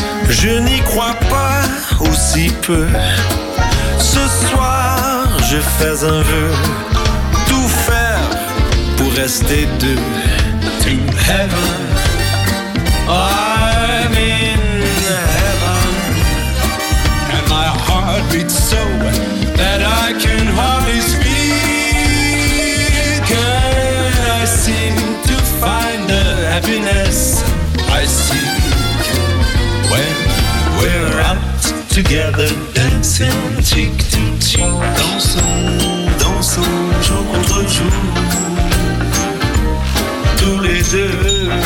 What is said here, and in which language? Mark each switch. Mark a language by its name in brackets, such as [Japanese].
[French] je n'y crois pas aussi peu. Ce soir, je fais un vœu, tout faire pour rester deux. [English] To heaven, I'm in heaven, and my heart beats so that I can hardly speak. And I seem to find the happiness I seek when we're out together dancing cheek to cheek. [French] Dansons, dansons jour contre jour, tous les deux.